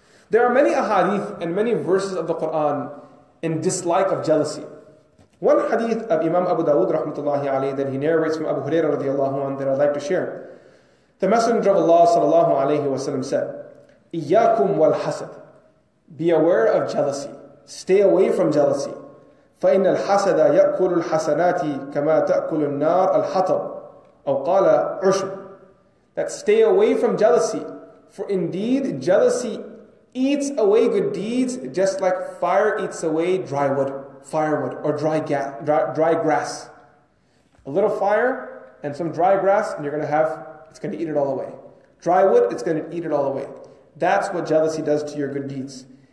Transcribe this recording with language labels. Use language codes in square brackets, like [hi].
[en] There are many ahadith and many verses of the Qur'an in dislike of jealousy. One hadith of Imam Abu Dawood rahmatullahi alayhi that he narrates from Abu Hurairah radiallahu anhu that I'd like to share. The Messenger of Allah sallallahu alayhi wa sallam said, [ar] إِيَّاكُمْ وَالْحَسَدْ [en] Be aware of jealousy. Stay away from jealousy. [ar] فَإِنَّ الْحَسَدَ يَأْكُلُ الْحَسَنَاتِ كَمَا تَأْكُلُ النَّارَ الْحَطَبُ أَوْ قَالَ عُشُبُ [en] That stay away from jealousy. For indeed, jealousy eats away good deeds just like fire eats away dry wood, firewood, or dry grass. A little fire and some dry grass and you're going to have, it's going to eat it all away. Dry wood, it's going to eat it all away. That's what jealousy does to your good deeds.